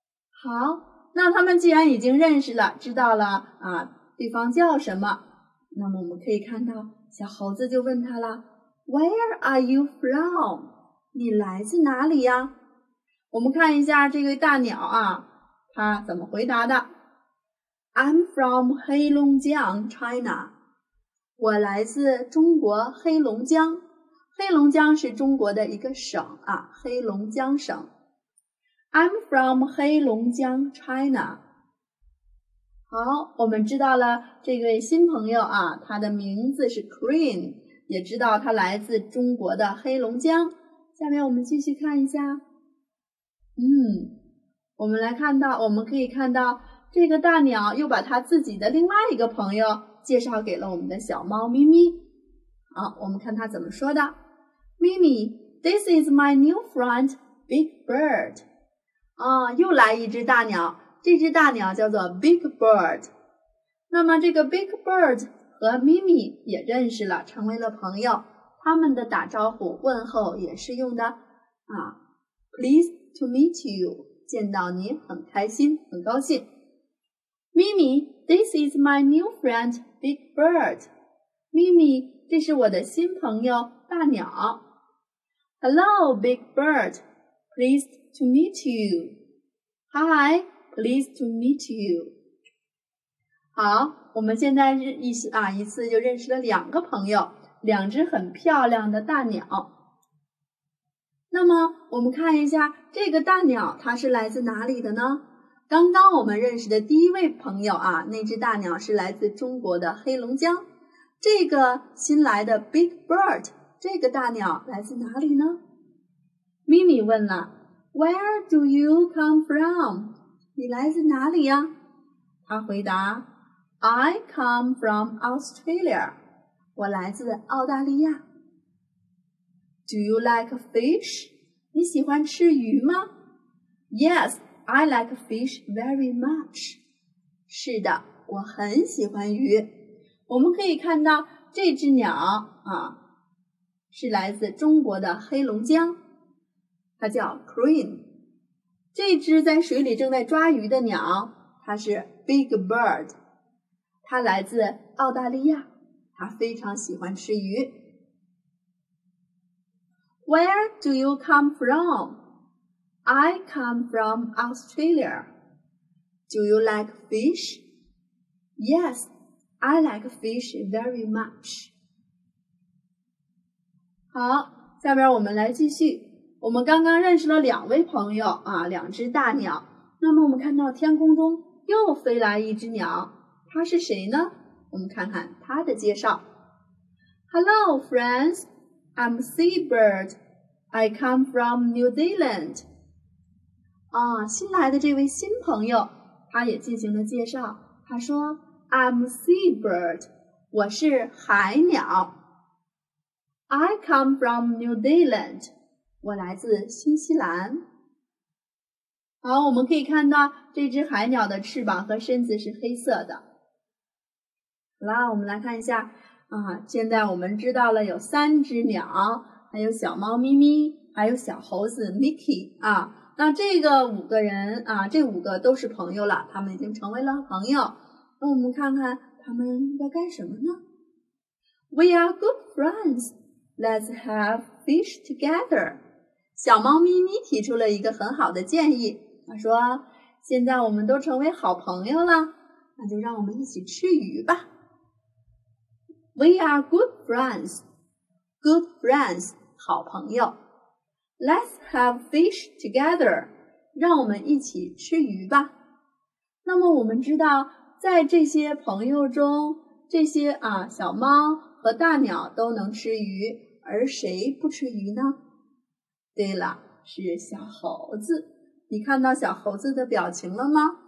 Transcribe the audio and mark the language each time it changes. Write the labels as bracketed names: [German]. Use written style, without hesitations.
[Chinese] 好，那他们既然已经认识了，知道了对方叫什么，那么我们可以看到小猴子就问他了， [English] Where are you from? [Chinese] 你来自哪里呀？我们看一下这个大鸟他怎么回答的。 [English] I'm from 黑龙江 China. [Chinese] 我来自中国黑龙江。黑龙江是中国的一个省啊，黑龙江省。 [English] I'm from 黑龙江 China. [Chinese] 好，我们知道了这位新朋友啊，他的名字是 Cream， 也知道他来自中国的黑龙江。下面我们继续看一下。我们来看到，我们可以看到这个大鸟又把他自己的另外一个朋友介绍给了我们的小猫咪咪。好，我们看他怎么说的。 [English] Mimi, this is my new friend, Big Bird. [Chinese] 啊，又来一只大鸟，这只大鸟叫做 Big Bird。那么这个 Big Bird 和 Mimi 也认识了，成为了朋友。他们的打招呼问候也是用的啊 , [English] pleased to meet you, [Chinese] 见到你很开心很高兴。 [English] Mimi, this is my new friend, Big Bird. [Chinese] Mimi, 这是我的新朋友大鸟。 [English] Hello, Big Bird, pleased to meet you. Hi, pleased to meet you. [Chinese] 好，我们现在一次就认识了两个朋友。两只很漂亮的大鸟。那么我们看一下这个大鸟它是来自哪里的呢？刚刚我们认识的第一位朋友啊，那只大鸟是来自中国的黑龙江。这个新来的 Big Bird， 这个大鸟来自哪里呢？咪咪问了， [English] Where do you come from? [Chinese] 你来自哪里呀？他回答， [English] I come from Australia. [Chinese] 我来自澳大利亚。 [English] Do you like fish? [Chinese] 你喜欢吃鱼吗？ [English] Yes, I like fish very much. [Chinese] 是的，我很喜欢鱼。我们可以看到这只鸟啊，是来自中国的黑龙江，它叫 Cream。这只在水里正在抓鱼的鸟，它是 Big Bird， 它来自澳大利亚。他非常喜欢吃鱼。 [English] Where do you come from? I come from Australia. Do you like fish? Yes, I like fish very much. [Chinese] 好，下边我们来继续。我们刚刚认识了两位朋友啊，两只大鸟。那么我们看到天空中又飞来一只鸟，它是谁呢？我们看看他的介绍。 [English] Hello, friends. I'm Seabird. I come from New Zealand. [Chinese] 啊，新来的这位新朋友，他也进行了介绍。他说 , [English] I'm Seabird. [Chinese] 我是海鸟。 [English] I come from New Zealand. [Chinese] 我来自新西兰。好，我们可以看到这只海鸟的翅膀和身子是黑色的。好啦，我们来看一下啊，现在我们知道了有三只鸟，还有小猫咪咪，还有小猴子 Mickey 啊。那这个五个人啊，这五个都是朋友了，他们已经成为了朋友。那我们看看他们要干什么呢？ [English] We are good friends. Let's have fish together. [Chinese] 小猫咪咪提出了一个很好的建议，他说，现在我们都成为好朋友了，那就让我们一起吃鱼吧。 [English] We are good friends. Good friends, [Chinese] 好朋友。 [English] Let's have fish together. [Chinese] 让我们一起吃鱼吧。那么我们知道，在这些朋友中，这些啊小猫和大鸟都能吃鱼，而谁不吃鱼呢？对了，是小猴子。你看到小猴子的表情了吗？